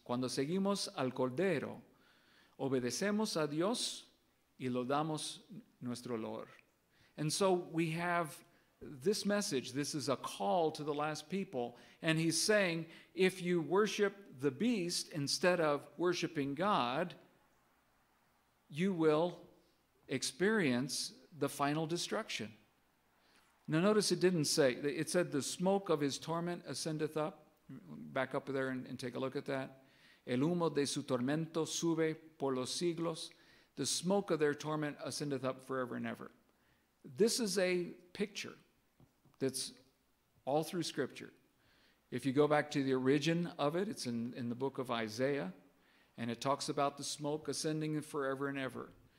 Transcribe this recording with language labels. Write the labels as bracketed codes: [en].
[es] Cuando seguimos al Cordero, obedecemos a Dios y lo damos nuestro Lord. [en] And so we have this message. This is a call to the last people, and he's saying, if you worship the beast instead of worshiping God, you will experience the final destruction. Now notice it didn't say, it said the smoke of his torment ascendeth up. Back up there and take a look at that. [es] El humo de su tormento sube por los siglos. [en] The smoke of their torment ascendeth up forever and ever. This is a picture that's all through Scripture. If you go back to the origin of it, it's in the book of Isaiah, and it talks about the smoke ascending forever and ever.